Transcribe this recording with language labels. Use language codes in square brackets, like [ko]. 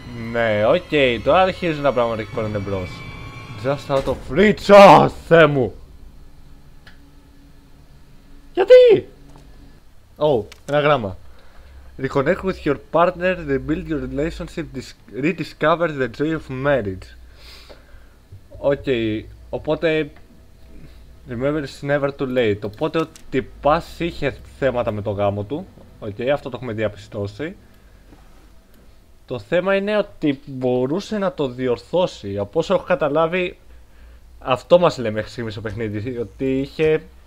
[el] Ναι, οκ. Τώρα αρχίζουν τα πράγματα εκεί πέρα είναι μπρος. [en] Just out of reach. [el] Α, Θεέ μου. Γιατί! Oh, ένα γράμμα. [en] Reconnect with your partner, rebuild your relationship, rediscover the joy of marriage. Okay, οπότε... remember it's never too late. [el] Οπότε ο τυπάς είχε θέματα με το γάμο του. Okay, αυτό το έχουμε διαπιστώσει. Το θέμα είναι ότι μπορούσε να το διορθώσει. Από όσο έχω καταλάβει, αυτό μας λέει μέχρι στιγμής στο παιχνίδι, ότι είχε...